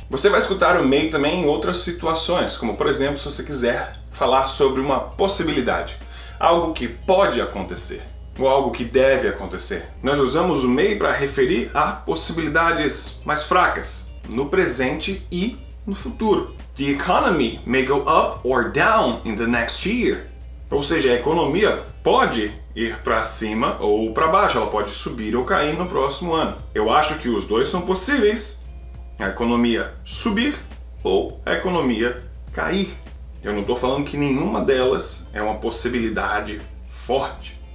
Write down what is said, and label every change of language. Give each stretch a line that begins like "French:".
Portuguese: Você vai escutar o may também em outras situações, como por exemplo, se você quiser falar sobre uma possibilidade. Algo que pode acontecer, ou algo que deve acontecer. Nós usamos o may para referir a possibilidades mais fracas, no presente e no futuro.
English: The economy may go up or down in the next year.
Portuguese: Ou seja, a economia pode ir para cima ou para baixo, ela pode subir ou cair no próximo ano. Eu acho que os dois são possíveis, a economia subir ou a economia cair. Eu não estou falando que nenhuma delas é uma possibilidade forte.